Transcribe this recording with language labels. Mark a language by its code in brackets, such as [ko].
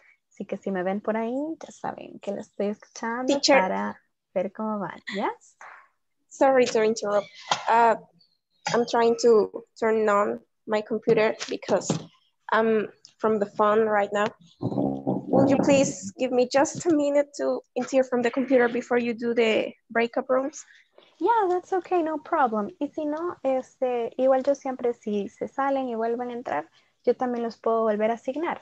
[es] Así que si me ven por ahí, ya saben que les estoy escuchando. Teacher, para ver cómo van, yes? [en] Sorry to interrupt. I'm trying to turn on my computer because I'm from the phone right now. Would you please give me just a minute to enter from the computer before you do the breakout rooms? Yeah, that's okay, no problem. [es] Y si no, igual yo siempre si se salen y vuelven a entrar, yo también los puedo volver a asignar.